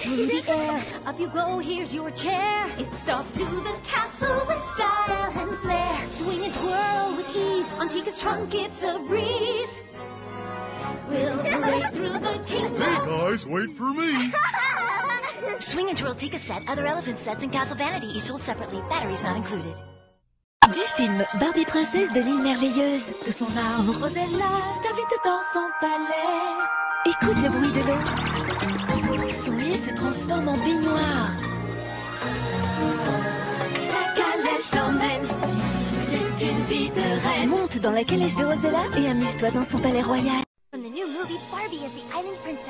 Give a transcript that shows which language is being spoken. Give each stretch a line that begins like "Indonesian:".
English: Through the air, up you go, here's your chair. It's off to the castle with style and flair. Swing and twirl with ease, on Chica's trunk it's a breeze. We'll parade through the kingdom. Hey guys, wait for me! Swing and Twirl Chica set, other elephant sets, and Castle Vanity each sold separately. Batteries not included.
French: Du film Barbie princesse de l'île merveilleuse. De son arbre Rosella, t'invite dans son palais. Écoute le bruit de l'eau. Son lit se transforme en baignoire. Sa calèche t'emmène, c'est une vie de reine. Monte monte dans la calèche de Rosella et amuse-toi dans son palais royal.
English: From the new movie, Barbie is the island princess.